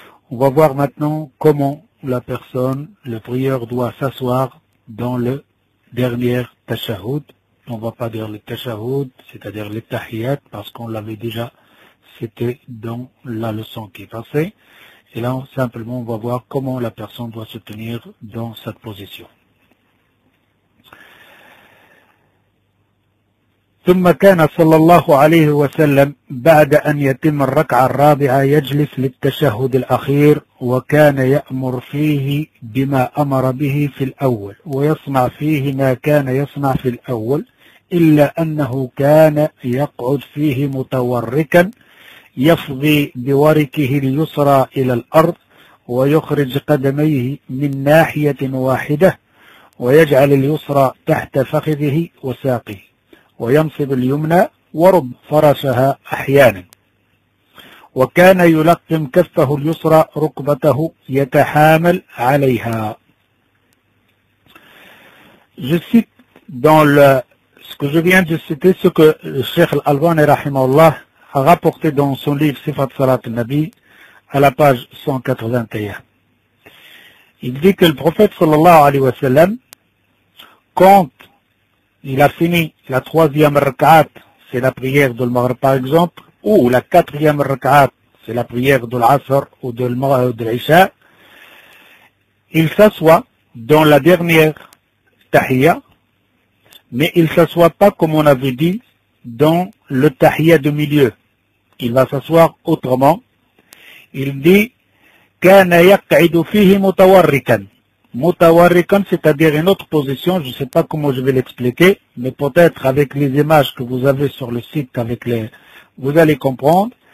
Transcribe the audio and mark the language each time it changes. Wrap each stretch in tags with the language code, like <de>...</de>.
<fr>On va voir maintenant comment la personne, le prieur, doit s'asseoir dans le dernier tashahhud. On ne va pas dire le tashahhud, c'est-à-dire le tahiyyat, parce qu'on l'avait déjà, c'était dans la leçon qui est passée. Et là, simplement, on va voir comment la personne doit se tenir dans cette position.</fr> <ar>ثم كان صلى الله عليه وسلم بعد أن يتم الركعة الرابعة يجلس للتشهد الأخير، وكان يأمر فيه بما أمر به في الأول ويصنع فيه ما كان يصنع في الأول، إلا أنه كان يقعد فيه متوركا يفضي بوركه اليسرى إلى الأرض ويخرج قدميه من ناحية واحدة ويجعل اليسرى تحت فخذه وساقه وينصب اليمنى ورب فرشها أحيانا، وكان يلقم كفه اليسرى ركبته يتحامل عليها.</ar> <fr>Je cite dans le, ce que je viens de citer, ce que Cheikh Al-Albani rahimahullah a rapporté dans son livre Sifat Salat al-Nabi à la page 181. Il dit que le prophète sallallahu alayhi wa sallam, quand il a fini la troisième rak'at, c'est la prière de l'Maghrib par exemple, ou la quatrième rak'at, c'est la prière de l'Asr ou de l'Isha, il s'assoit dans la dernière tahiyya, mais il s'assoit pas, comme on avait dit, dans le tahiyya de milieu. Il va s'asseoir autrement. Il dit,</fr> <ar>كَانَ يَقْعِدُ فِيهِ مُتَوَرِّكًا.</ar> <fr>Mutawarrikan, c'est-à-dire une autre position, je ne sais pas comment je vais l'expliquer, mais peut-être avec les images que vous avez sur le site, avec les, vous allez comprendre.</fr>